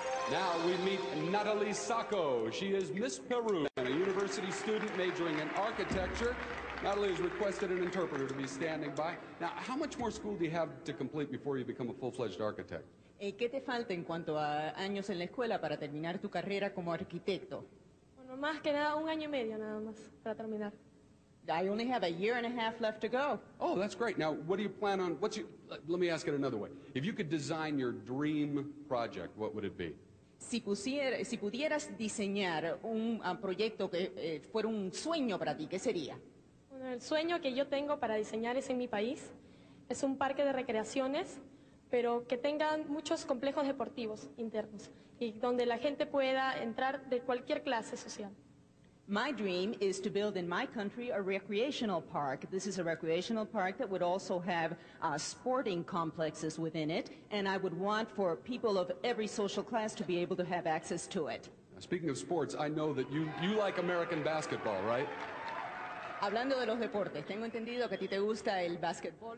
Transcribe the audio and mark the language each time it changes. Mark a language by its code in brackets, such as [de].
[en] Now we meet Natalie Sacco. She is Miss Peru and a university student majoring in architecture. Natalie has requested an interpreter to be standing by. Now, how much more school do you have to complete before you become a full-fledged architect? [es] ¿Qué te falta en cuanto a años en la escuela para terminar tu carrera como arquitecto? Bueno, más que nada un año y medio nada más para terminar. [en] I only have a year and a half left to go. Oh, that's great. Now, what do you plan on? Let me ask it another way. If you could design your dream project, what would it be? [es] Si pudieras diseñar un proyecto que fuera un sueño para ti, ¿qué sería? Bueno, el sueño que yo tengo para diseñar es en mi país. Es un parque de recreaciones, pero que tenga muchos complejos deportivos internos y donde la gente pueda entrar de cualquier clase social. [en] My dream is to build in my country a recreational park. This is a recreational park that would also have sporting complexes within it, and I would want for people of every social class to be able to have access to it. Speaking of sports, I know that you like American basketball, right? [es] Hablando de los deportes, tengo entendido que a ti te gusta el basketball